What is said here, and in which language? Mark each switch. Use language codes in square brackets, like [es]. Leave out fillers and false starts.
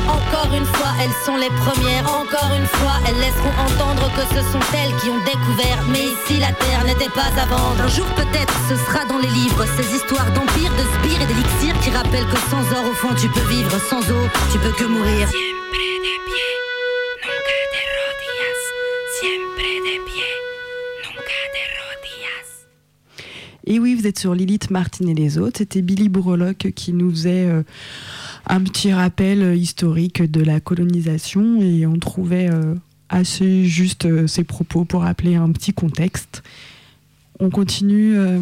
[fr] Encore une fois, elles sont les premières. Encore une fois, elles laisseront entendre que ce sont elles qui ont découvert. Mais ici, la terre n'était pas à vendre. Un jour, peut-être, ce sera dans les livres. Ces histoires d'empire, de sbires et d'élixirs qui rappellent que sans or, au fond, tu peux vivre. Sans eau, tu peux que mourir. [es] Siempre de pie, nunca de rodillas. Siempre de pie, nunca de rodillas. Conga de Rodillas. [fr] Et oui, vous êtes sur Lilith, Martine et les autres. C'était Billy Bourlock qui nous faisait un petit rappel historique de la colonisation. Et on trouvait assez juste ses propos pour rappeler un petit contexte. On continue.